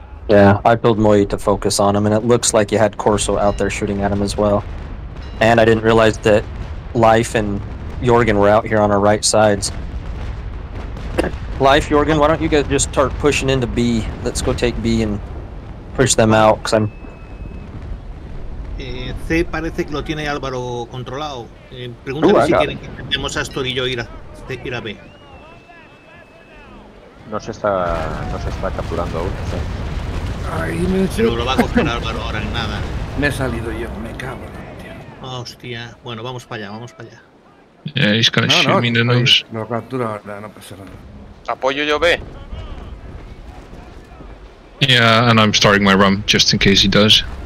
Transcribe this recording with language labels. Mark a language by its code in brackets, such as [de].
[en] Yeah, I pulled Moi to focus on him, and it looks like you had Corso out there shooting at him as well. And I didn't realize that Life and Jorgen were out here on our right sides. Life, Jorgen, why don't you guys just start pushing into B? Let's go take B and push them out, because I'm. [es] C parece que lo tiene Álvaro controlado. Pregúntale si quieren que intentemos a Astor y yo ir a B. No se está capturando aún. ¿Sí? Ay, me he hecho... No lo va a coger Álvaro ahora en nada. Me he salido yo, me cago en la hostia. Bueno, vamos para allá, vamos para allá. [en] Yeah, he's gonna shoot me in the nose. [es] Lo captura ahora, no pasa nada. Apoyo yo B. [en] Yeah, and I'm starting my run just in case he does.